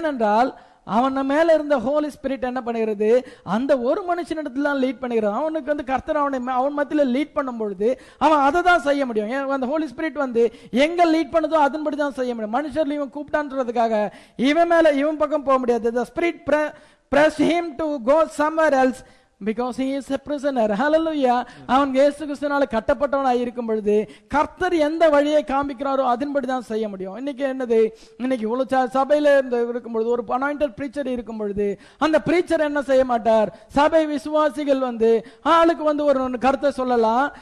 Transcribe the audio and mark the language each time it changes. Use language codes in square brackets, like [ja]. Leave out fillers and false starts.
[ta] ஏனென்றால் அவன் மேல இருந்த ஹோலி ஸ்பிரிட் என்ன பண்ணுகிறது? அந்த ஒரு மனுஷன் இடத்துல லீட் பண்ணுகிறது. அவனுக்கு வந்து கர்த்தர் அவன் மத்தியில் லீட் பண்ணும் பொழுது அவன் அதை தான் செய்ய முடியும். அந்த ஹோலி ஸ்பிரிட் வந்து எங்க லீட் பண்ணதோ அதன்படி தான் செய்ய முடியும். மனுஷர்ல இவன் கூப்பிட்டான்றதுக்காக இவன் மேல இவன் பக்கம் போக முடியாது. [en] The spirit pressed him to go somewhere else. Because he is a prisoner. Hallelujah. [ta] அவன் இயேசு கிறிஸ்துவால கட்டப்பட்டவனாய் இருக்கும் பொழுது கர்த்தர் எந்த வழியை காமிக்கிறாரோ அதன்படி தான் செய்ய முடியும். இன்னைக்கு என்னது? சபையில இருந்து இருக்கும்பொழுது ஒரு அனாயிண்டட் பிரீச்சர் இருக்கும் பொழுது அந்த பிரீச்சர் என்ன செய்ய மாட்டார்? சபை விசுவாசிகள் வந்து ஆளுக்கு வந்து ஒரு கருத்தை சொல்லலாம்.